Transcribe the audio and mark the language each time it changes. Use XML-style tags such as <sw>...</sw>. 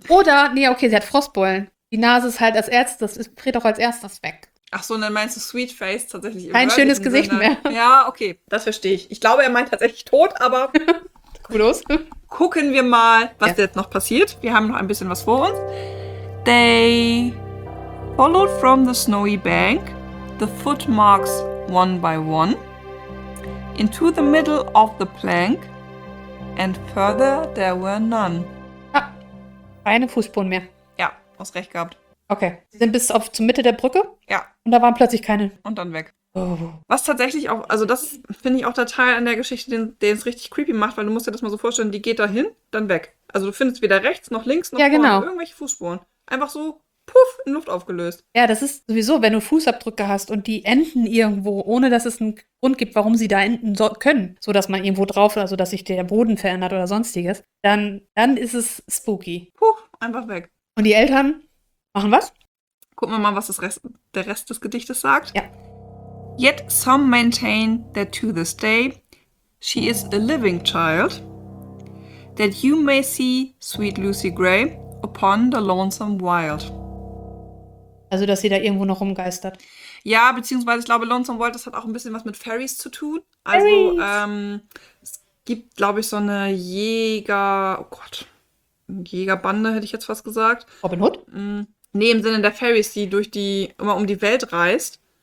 <de>Oder, nee, okay, sie hat Frostbeulen. Die Nase ist halt als erstes, es friert auch als erstes weg. Ach so, und dann meinst du Sweet Face tatsächlich immer. Kein schönes Gesicht mehr. Ja, okay, das verstehe ich. Ich glaube, er meint tatsächlich tot, aber. Kudos. Gucken wir mal, was jetzt noch passiert. Wir haben noch ein bisschen was vor uns.</de> <en>They followed from the snowy bank, the footmarks one by one, into the middle of the plank, and further there were none.</en> <de>Ah, keine Fußspuren mehr. Aus Recht gehabt. Okay. Sie sind bis auf zur Mitte der Brücke. Ja. Und da waren plötzlich keine. Und dann weg. Oh. Was tatsächlich auch, also das finde ich auch der Teil an der Geschichte, den es richtig creepy macht, weil du musst dir das mal so vorstellen, die geht da hin, dann weg. Also du findest weder rechts noch links noch vorne irgendwelche Fußspuren. Einfach so, puff, in Luft aufgelöst. Ja, das ist sowieso, wenn du Fußabdrücke hast und die enden irgendwo, ohne dass es einen Grund gibt, warum sie da enden können, so dass man irgendwo drauf, also dass sich der Boden verändert oder sonstiges, dann ist es spooky. Puh, einfach weg. Und die Eltern machen was? Gucken wir mal, was der Rest des Gedichtes sagt. Ja.</de> <en>Yet some maintain that to this day she is a living child, that you may see sweet Lucy Gray upon the lonesome wild.</en> <de>Also, dass sie da irgendwo noch rumgeistert. Ja, beziehungsweise, ich glaube, Lonesome Wild, das hat auch ein bisschen was mit Fairies zu tun. Fairies. Also, es gibt, glaube ich, so eine Jäger... Oh Gott... Jägerbande, hätte ich jetzt fast gesagt. Robin Hood? Nee, im Sinne der Fairies, die immer um die Welt reist.</de>